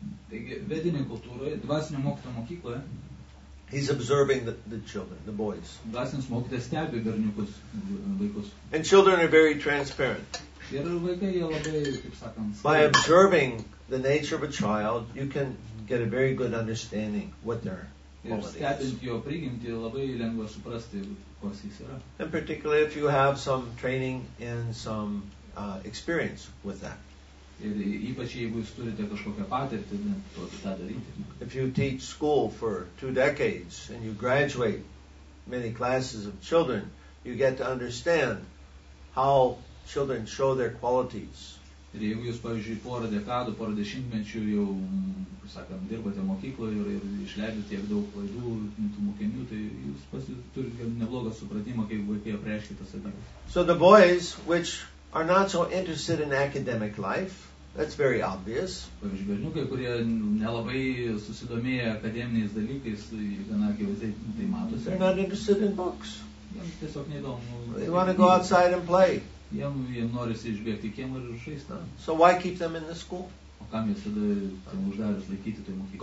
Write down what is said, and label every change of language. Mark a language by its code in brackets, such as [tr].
[lt] Taigi, vedinė kultūra, dvasinio mokyto mokykloje. [en] He's observing the children, the boys. [lt] Dvasinis mokytas stebi berniukus, vaikus. [en] And children are very transparent. [lt] Ir vaikai jie labai, kaip sakant. [en] By observing the nature of a child, you can get a very good understanding what their quality is. [lt] Stebint jo prigimtį, labai lengva suprasti, kas jis yra. [en] And particularly if you have some training and some experience with that. [lt] Ir ypač jeigu jūs turite kažkokią patirtį, tą daryti. [en] If you teach school for 2 decades and you graduate many classes of children, you get to understand how children show their qualities. [lt] Ir jeigu jūs, pavyzdžiui, porą dešimtmečių jau, sakant, dirbate mokykloje ir išleidžiate tiek daug klaidų tų mokinių, tai jūs turite neblogą supratimą, kaip vaikai apreiškia tas dalykas. [en] So the boys, which are not so interested in academic life, that's very obvious. [lt] Pavyzdžiui, berniukai, kurie nelabai susidomėję akademiniais dalykais, gana akivaizdžiai tai matosi. [en] They're not interested in books. [lt] Jiems tiesiog neįdomu. [en] They want to go outside and play. [lt] Jiem norisi išbėgti į kiemą ir žaisti. [en] So why keep them in the school? [lt] O kam jie tada ten uždarius laikyti toj mokyklai?